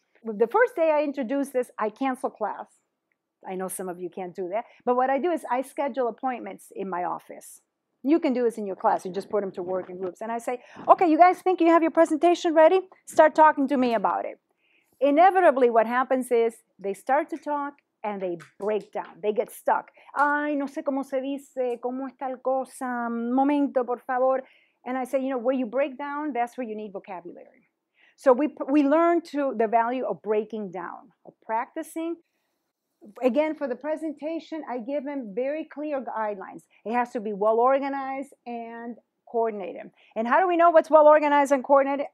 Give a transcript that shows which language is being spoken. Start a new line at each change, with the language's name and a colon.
English: The first day I introduce this, I cancel class. I know some of you can't do that. But what I do is I schedule appointments in my office. You can do this in your class. You just put them to work in groups. And I say, okay, you guys think you have your presentation ready? Start talking to me about it. Inevitably, what happens is they start to talk and they break down. They get stuck.
Spanish: Ay, no sé cómo se dice, cómo está el cosa, momento, por favor.
English: And I say, you know, where you break down, that's where you need vocabulary. So we learn to the value of breaking down, of practicing. Again, for the presentation, I give them very clear guidelines. It has to be well-organized and coordinated. And how do we know what's well-organized and coordinated?